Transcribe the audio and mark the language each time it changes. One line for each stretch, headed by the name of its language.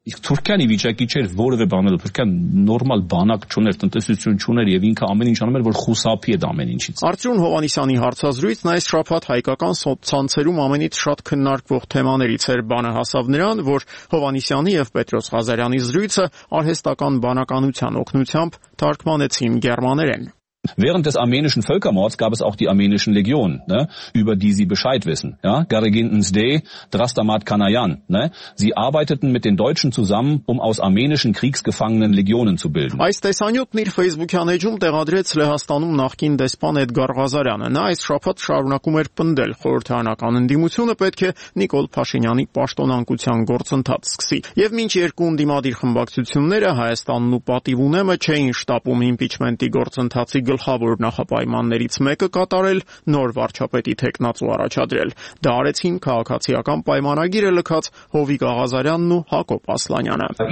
Armenian: Իսկ Թուրքիայի վիճակի չէր որևէ բանը, Թուրքիան նորմալ բանակ չուներ, տնտեսություն չուներ եւ ինքը ամեն ինչ անում էր, որ խուսափի է ամեն ինչից։ Արծրուն Հովանեսյանի հարցազրույցն այս շաբաթ հայկական ցանցերում ամենից շատ քննարկվող թեմաներից էր, բանը հասավ նրան, որ Հովանեսյանի եւ Պետրոս Ղազարյանի զրույցը արհեստական բանականության օգնությամբ թարգմանեցին գերմաներեն։
German: Während des armenischen Völkermords gab es auch die armenischen Legionen, ne, über die Sie Bescheid wissen. Ja, Garegin Nzde, Drastamat Kanayan. Ne, sie arbeiteten mit den Deutschen zusammen, um aus armenischen Kriegsgefangenen Legionen zu bilden.
Armenian: Այս տեսանյութն իր Facebook-յան էջում տեղադրեց Լեհաստանում նախկին դեսպան Էդգար Ղազարյանը։ Նա այս շաբաթ շարունակում էր պնդել, խորհրդարանական ընդդիմությունը պետք է Նիկոլ Փաշինյանի պաշտոնանկության գործընթաց սկսի։ Եվ մինչ երկու ընդդիմադիր խմբակցությունները Հայաստանն ու պատիվ ունեմը չէին շտապում իմպիչմենտի գործընթաց գլխավոր նախապայմաններից մեկը կատարել, նոր վարչապետի թեկնածու առաջադրել։ Դա արեցին քաղաքացիական պայմանագիրը լքած Հովիկ Աղազարյանն ու Հակոբ Ասլանյանը։